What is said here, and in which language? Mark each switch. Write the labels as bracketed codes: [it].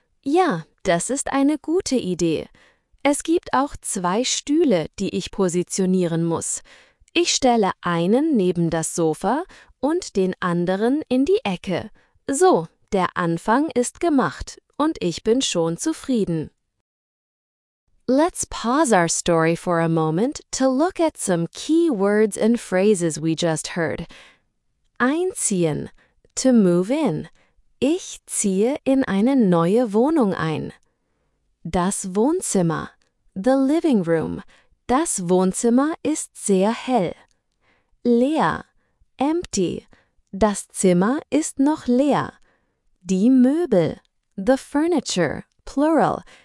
[de] Ja, das ist eine gute Idee. Es gibt auch zwei Stühle, die ich positionieren muss. Ich stelle einen neben das Sofa und den anderen in die Ecke. So, der Anfang ist gemacht und ich bin schon zufrieden. [en] Let's pause our story for a moment to look at some key words and phrases we just heard. [de] Einziehen, [en] to move in. [de] Ich ziehe in eine neue Wohnung ein. Das Wohnzimmer, [en] the living room. [de] Das Wohnzimmer ist sehr hell. Leer, [en] empty. [de] Das Zimmer ist noch leer. Die Möbel, [en] the furniture, plural.